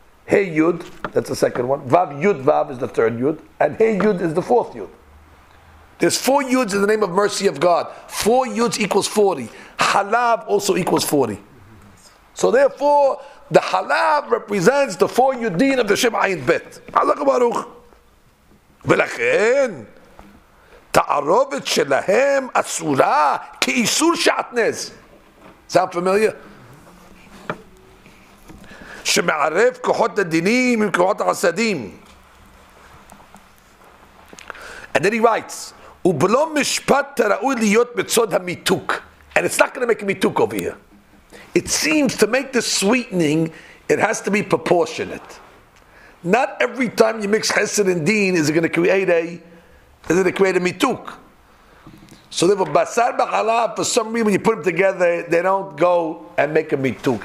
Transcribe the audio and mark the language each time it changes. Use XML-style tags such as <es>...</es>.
<en>He Yud, that's the second one. Vav Yud Vav is the third Yud. And He Yud is the fourth Yud. There's four Yuds in the name of mercy of God. Four Yuds equals 40. Halav also equals 40. So therefore, the Halav represents the four Yudin of the Shem Ayin Bet. Halak Baruch.</en> <he>ולכן תערובת שלהם אסורה כאיסור שעטנז.</he> <en>Sound familiar?</en> <he>שמערב כוחות הדינים עם כוחות החסדים.</he> <en>And then he writes,</en> <he>ובלא משפט תראוי להיות בצוד המיתוק.</he> <en>And it's not going to make a mituk over here. It seems to make the sweetening, it has to be proportionate. Not every time you mix chesed and din is it going to create a, is it create a mituk? So therefore, basar b'chalav, for some reason, when you put them together, they don't go and make a mituk.</en>